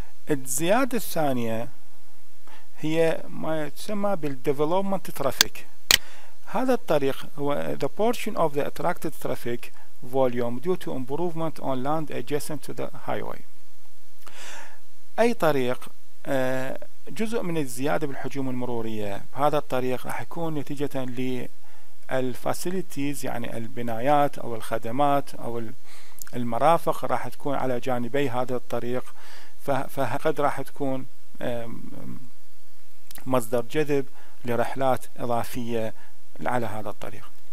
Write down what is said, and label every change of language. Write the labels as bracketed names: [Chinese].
[Arabic] الزيادة الثانية هي ما يسمى بالديفلوبمنت ترافيك. هذا الطريق هو [English] the portion of the attracted traffic volume due to improvement on land adjacent to the highway. [Arabic] أي طريق جزء من الزيادة بالحجوم المرورية بهذا الطريق راح يكون نتيجة للفاسيليتيز، يعني البنايات أو الخدمات أو المرافق راح تكون على جانبي هذا الطريق، فقد راح تكون مصدر جذب لرحلات إضافية على هذا الطريق.